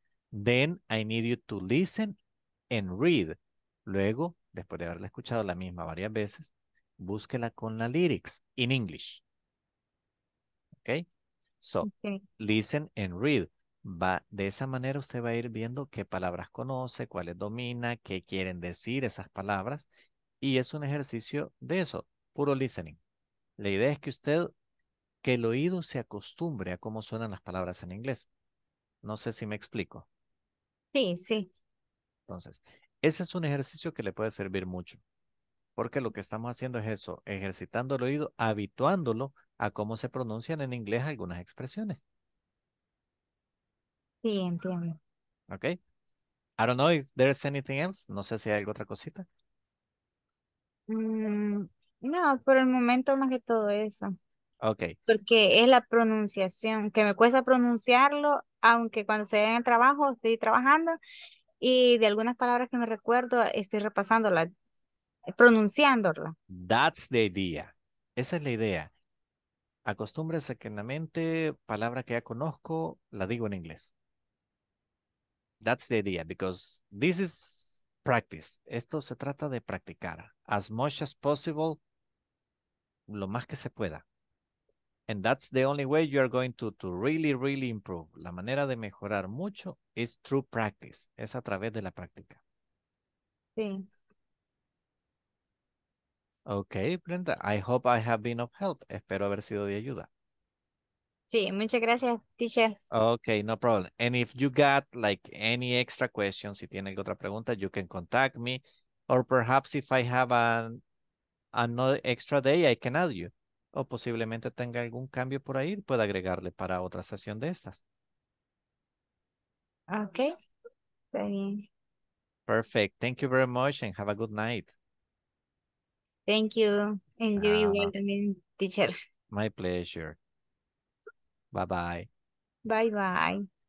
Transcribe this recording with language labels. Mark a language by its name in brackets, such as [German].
[English] Then I need you to listen and read. [Spanish] Luego, después de haberla escuchado la misma varias veces, búsquela con la [English] lyrics in English. [Spanish] ¿Ok? So, okay. [English] Listen and read. [Spanish] Va, de esa manera usted va a ir viendo qué palabras conoce, cuáles domina, qué quieren decir esas palabras. Y es un ejercicio de eso, puro listening. La idea es que usted, que el oído se acostumbre a cómo suenan las palabras en inglés. No sé si me explico. Sí, sí. Entonces, ese es un ejercicio que le puede servir mucho. Porque lo que estamos haciendo es eso, ejercitando el oído, habituándolo a cómo se pronuncian en inglés algunas expresiones. Sí, entiendo. [English] Okay. I don't know if there's anything else. [Spanish] No sé si hay otra cosita. No, por el momento más que todo eso. [English] Okay. [Spanish] Porque es la pronunciación, que me cuesta pronunciarlo, aunque cuando se ve en el trabajo, estoy trabajando, y de algunas palabras que me recuerdo, estoy repasándola, pronunciándola. [English] That's the idea. [Spanish] Esa es la idea. Acostúmbrese que en la mente, palabra que ya conozco, la digo en inglés. [English] That's the idea, because this is practice. [Spanish] Esto se trata de practicar [English] as much as possible, [Spanish] lo más que se pueda. [English] And that's the only way you are going to really, really improve. [Spanish] La manera de mejorar mucho [English] is through practice. [Spanish] Es a través de la práctica. Sí. [English] Okay, Brenda, I hope I have been of help. [Spanish] Espero haber sido de ayuda. Sí, muchas gracias, teacher. [English] Okay, no problem. And if you got like any extra questions, [Spanish] si tiene otra pregunta, [English] you can contact me. Or perhaps if I have another extra day, I can add you. [Spanish] O posiblemente tenga algún cambio por ahí, pueda agregarle para otra sesión de estas. Okay, está bien. [English] Perfect. Thank you very much and have a good night. Thank you. And you welcome, teacher. My pleasure. Bye-bye. Bye-bye.